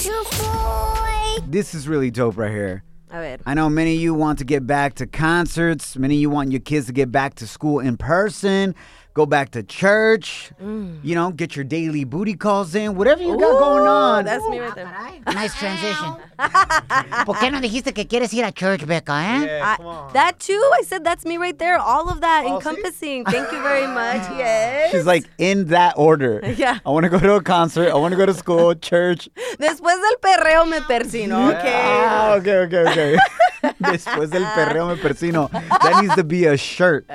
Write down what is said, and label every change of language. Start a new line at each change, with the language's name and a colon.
English: Your boy. This is really dope right here.
Spanish: A ver.
English: I know many of you want to get back to concerts. Many of you want your kids to get back to school in person. Go back to church, you know, get your daily booty calls in, whatever you got going on. That's me right there. Nice transition.
Spanish: ¿Por qué no dijiste que quieres ir a church, Becca, eh?
English: Yeah, come on. That too, I said that's me right there. All of that encompassing. See? Thank you very much. Yes. She's like, in that order. Yeah. I want to go to a concert. I want to go to school, church.
Spanish: Después del perreo me persino.
English: Yeah. Okay. Ah, okay.
Spanish: Después del perreo me persino.
English: That needs to be a shirt.